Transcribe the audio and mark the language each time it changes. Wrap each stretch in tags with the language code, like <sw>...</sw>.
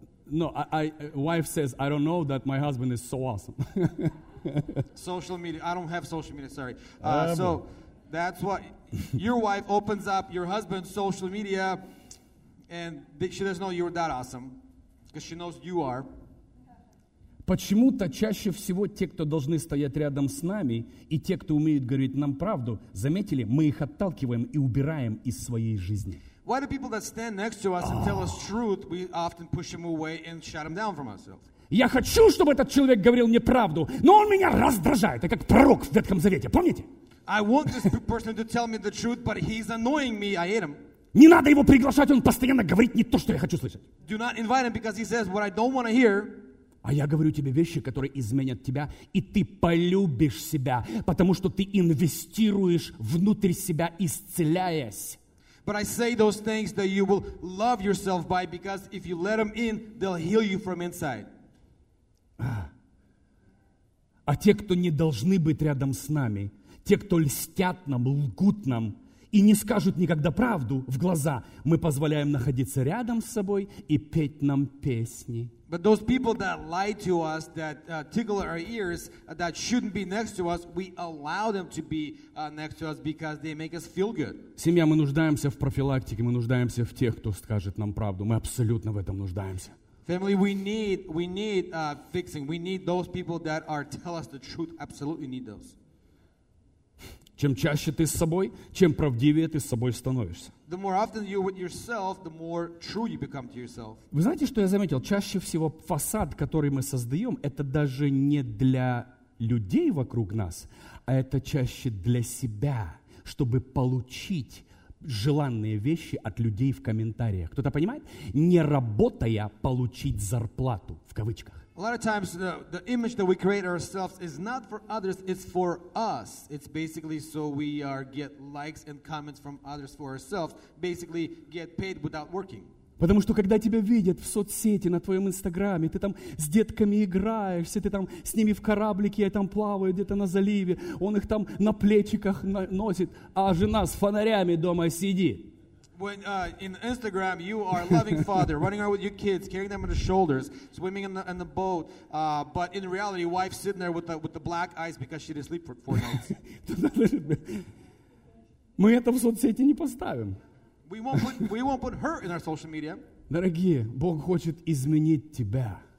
<en>No, wife says, I don't know that my husband is so awesome. Social media, I don't have social media, sorry. So that's what your wife opens up your husband's social media and she doesn't know you're that awesome because she knows you are.</en> <ru>Почему-то чаще всего те, кто должны стоять рядом с нами, и те, кто умеют говорить нам правду, заметили, мы их отталкиваем и убираем из своей жизни.</ru> <en>Why do people that stand next to us and tell us truth, we often push them away and shut them down from ourselves?</en> <ru>Я хочу, чтобы этот человек говорил мне правду, но он меня раздражает, как пророк в Ветхом Завете, помните?</ru> <en>I want this person to tell me the truth, but he's annoying me, I hate him.</en> <ru>Не надо его приглашать, он постоянно говорит не то, что я хочу слышать.</ru> <en>Do not invite him because he says what I don't want to hear.</en> <ru>А я говорю тебе вещи, которые изменят тебя, и ты полюбишь себя, потому что ты инвестируешь внутрь себя, исцеляясь.</ru> <en>But I say those things that you will love yourself by, because if you let them in, they'll heal you from inside.</en> <ru>А те, кто не должны быть рядом с нами, те, кто льстят нам, лгут нам и не скажут никогда правду в глаза, мы позволяем находиться рядом с собой и петь нам песни.</ru> <en>But those people that lie to us, that tickle our ears, that shouldn't be next to us, we allow them to be next to us because they make us feel good.</en> <ru>Семья, мы нуждаемся в профилактике, мы нуждаемся в тех, кто скажет нам правду. Мы абсолютно в этом нуждаемся.</ru> <en>Family, we need fixing. We need those people that are tell us the truth. Absolutely need those.</en> <ru>Чем чаще ты с собой, чем правдивее ты с собой становишься.</ru> <en>The more often you're with yourself, the more true you become to yourself.</en> <ru>Вы знаете, что я заметил? Чаще всего фасад, который мы создаем, это даже не для людей вокруг нас, а это чаще для себя, чтобы получить желанные вещи от людей в комментариях. Кто-то понимает? Не работая, получить зарплату, в кавычках.</ru> <en>A lot of times the image that we create ourselves is not for others, it's for us. It's basically so we are get likes and comments from others for ourselves, basically get paid without working.</en> <ru>Потому что когда тебя видят в соцсети, на твоем инстаграме, ты там с детками играешься, ты там с ними в кораблике, там плавают где-то на заливе, он их там на плечиках носит, а жена с фонарями дома сидит.</ru> <en>When in Instagram you are loving father, running around with your kids, carrying them on the shoulders, swimming in the boat, but in reality, wife sitting there with the black eyes because she didn't sleep for 4 nights.</en> <ru>Мы это в соцсети не поставим.</ru> <en>We won't put her in our social media.</en> <ru>Дорогие, Бог хочет изменить тебя.</ru>